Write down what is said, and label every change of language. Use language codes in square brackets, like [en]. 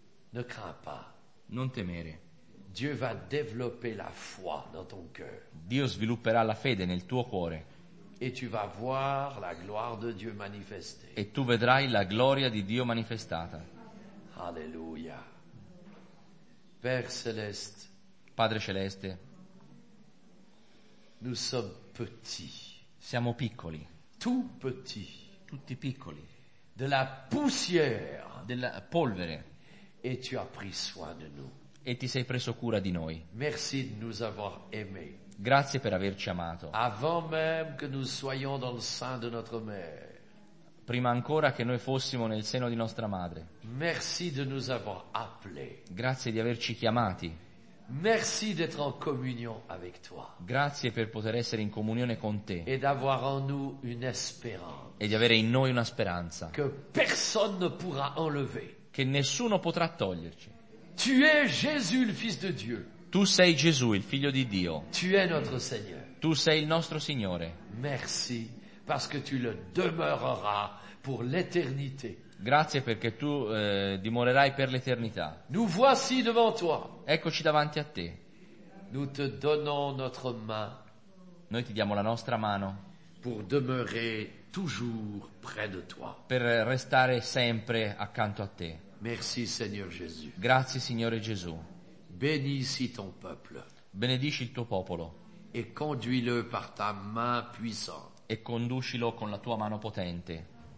[fr] Ne crains pas. [it] Non temere. [fr] Dieu va développer la foi dans ton cœur. [it] Dio svilupperà la fede nel tuo cuore. [fr] Et tu vas voir la gloire de Dieu manifestée. [it] E tu vedrai la gloria di Dio manifestata. [fr] Alleluia. Père céleste. [it] Padre celeste. [fr] Nous sommes petits. [it] Siamo piccoli. [fr] Tout petit. [it] Tutti piccoli. [fr] De la poussière. [it] Della polvere. [fr] Et tu as pris soin de nous. [it] E ti sei preso cura di noi. [fr] Merci de nous avoir aimés. [it] Grazie per averci amato. [fr] Avant même que nous soyons dans le sein de notre mère. [it] Prima ancora che noi fossimo nel seno di nostra madre. [fr] Merci de nous avoir appelés. [it] Grazie di averci chiamati. [fr] Merci d'être en communion avec toi. [it] Grazie per poter essere in comunione con te. [fr] Et d'avoir en nous une espérance. [it] E di avere in noi una speranza. [fr] Que personne ne pourra enlever. [it] Che nessuno potrà toglierci. [fr] Tu es Jésus, le Fils de Dieu. [it] Tu sei Gesù, il Figlio di Dio. [fr] Tu es notre Seigneur. [it] Tu sei il nostro Signore. [fr] Merci parce que tu le demeureras pour l'éternité. [it] Grazie perché tu dimorerai per l'eternità. [fr] Nous voici devant toi. [it] Eccoci davanti a te. [fr] Nous te donnons notre main. [it] Noi ti diamo la nostra mano. [fr] Pour demeurer toujours près de toi. [it] Per restare sempre accanto a te. [fr] Merci Seigneur Jésus. [it] Grazie Signore Gesù. [fr] Bénissi ton peuple. [it] Benedici il tuo popolo. [fr] Et conduis-le par ta main puissante. [it] E conducilo con la tua mano potente.